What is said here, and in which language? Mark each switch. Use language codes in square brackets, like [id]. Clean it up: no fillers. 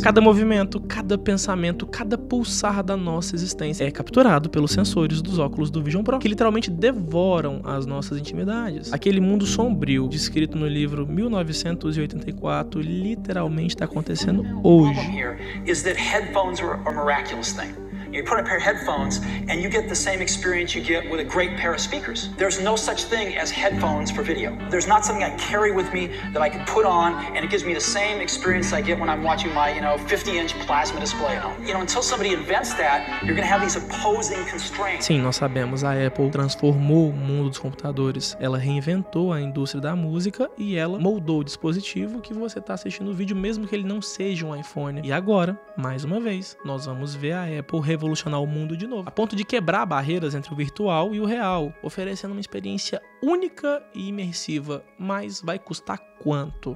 [pt] Cada movimento, cada pensamento, cada pulsar da nossa existência é capturado pelos sensores dos óculos do Vision Pro, que literalmente devoram as nossas intimidades. Aquele mundo sombrio, descrito no livro 1984, literalmente está acontecendo hoje. [en] Headphones are a miraculous thing. You put a pair of headphones and you get the same experience you get with a great pair of speakers. There's no such thing as headphones for video. There's not something I carry with me that I can put on and it gives me the same experience I get when I'm watching my, 50-inch plasma display at home. You know, until somebody invents that, you're going to have these opposing constraints. [pt] Sim, nós sabemos, a Apple transformou o mundo dos computadores. Ela reinventou a indústria da música e ela moldou o dispositivo que você está assistindo o vídeo, mesmo que ele não seja um iPhone. E agora, mais uma vez, nós vamos ver a Apple revolucionar o mundo de novo, a ponto de quebrar barreiras entre o virtual e o real, oferecendo uma experiência única e imersiva, mas vai custar quanto?